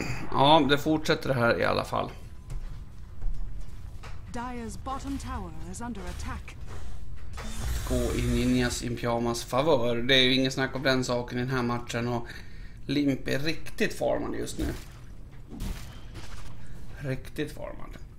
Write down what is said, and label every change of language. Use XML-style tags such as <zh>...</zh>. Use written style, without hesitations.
<sv>Ja, det fortsätter det här i alla fall.</sv> <en>Dire's bottom tower is under attack.</en> <sv>Gå i Ninjas in pyjamas favör. Det är ju ingen snack om den saken i den här matchen. Och Limp är riktigt formad just nu. Riktigt formad.</sv>